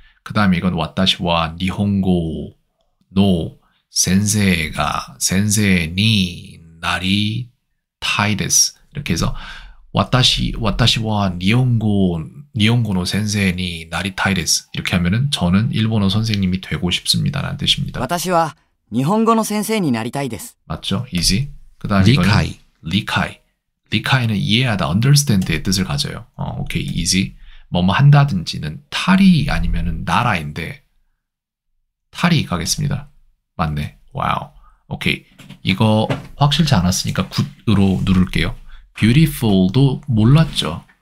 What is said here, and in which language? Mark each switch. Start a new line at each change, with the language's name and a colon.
Korean: 그 다음에 이건
Japanese: 왓다시와 니혼고 노 센세가 센세니 나리 타이데스
Korean: 이렇게 해서
Japanese: 왓다시와 니혼고 노 센세니 나리 타이데스
Korean: 이렇게 하면은 저는 일본어 선생님이 되고 싶습니다라는 뜻입니다.
Japanese: 私は日本語の先生になりたいです.
Korean: 맞죠? easy. 그 다음에 이거는
Japanese: 理解. 리카이.
Korean: 리카이는 이해하다, understand의 뜻을 가져요. 오케이, easy. 뭐뭐 한다든지는 탈이 아니면은 나라인데 탈이 가겠습니다. 맞네. 와우. 오케이. 이거 확실치 않았으니까 굿으로 누를게요. beautiful도 몰랐죠.